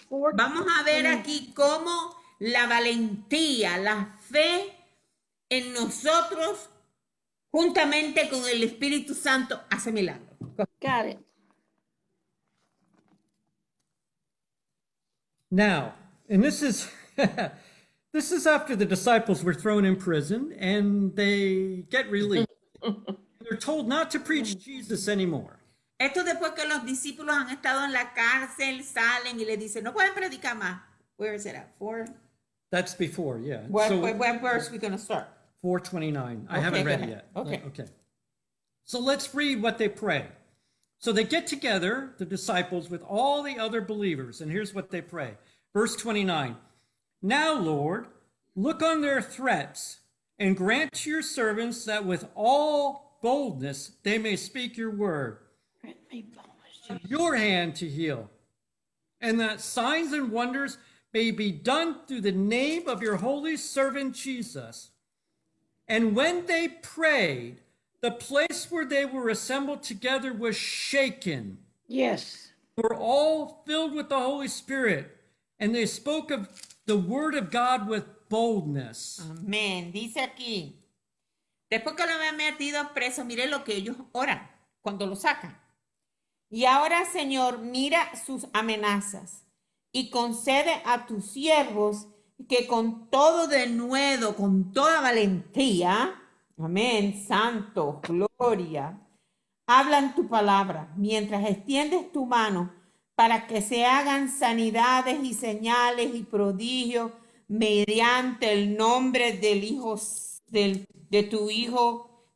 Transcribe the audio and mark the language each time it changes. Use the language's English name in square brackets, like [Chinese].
[Spanish] Vamos a ver aquí cómo la valentía, la fe en nosotros, juntamente con el Espíritu Santo, hace milagro. [English] Got it. Now, and this is this is after the disciples were thrown in prison and they get released. They're told not to preach Jesus anymore. Esto después que los discípulos han estado en la cárcel, salen y le dicen, no pueden predicar más. Where is it at? Four. That's before, yeah. What verse are we going to start? 4:29. I haven't read it yet. Okay. So let's read what they pray. So they get together, the disciples, with all the other believers. And here's what they pray. Verse 29. Now, Lord, look on their threats and grant to your servants that with all boldness they may speak your word. Grant me boldness, Jesus. Your hand to heal. And that signs and wonders may be done through the name of your holy servant Jesus. And when they prayed, the place where they were assembled together was shaken. Yes. They were all filled with the Holy Spirit, and they spoke of the word of God with boldness. [Spanish] Amén. Dice aquí, después que lo habían metido preso, mire lo que ellos oran cuando lo sacan. Y ahora, Señor, mira sus amenazas. Y concede a tus siervos que con todo denuedo, con toda valentía, amén, santo, gloria, hablan tu palabra mientras extiendes tu mano para que se hagan sanidades y señales y prodigios mediante el nombre del Hijo, de tu Hijo